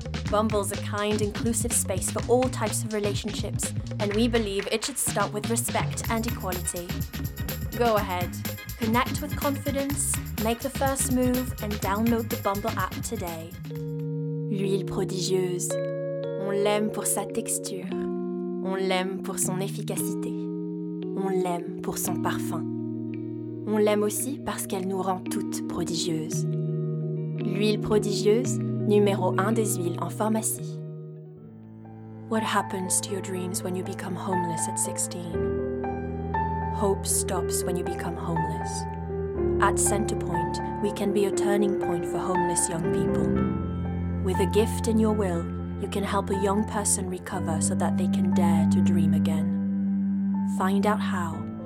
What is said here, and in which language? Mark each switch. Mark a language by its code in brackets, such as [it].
[en] Bumble's a kind, inclusive space for all types of relationships, and we believe it should start with respect and equality. Go ahead, connect with confidence, make the first move, and download the Bumble app today. [fr] L'huile prodigieuse. On l'aime pour sa texture. On l'aime pour son efficacité. On l'aime pour son parfum. On l'aime aussi parce qu'elle nous rend toutes prodigieuses. L'huile prodigieuse, numéro 1 des huiles en pharmacie. [en] What happens to your dreams when you become homeless at 16? Hope stops when you become homeless. At Centerpoint, we can be a turning point for homeless young people. With a gift in your will, you can help a young person recover so that they can dare to dream again. Find out how.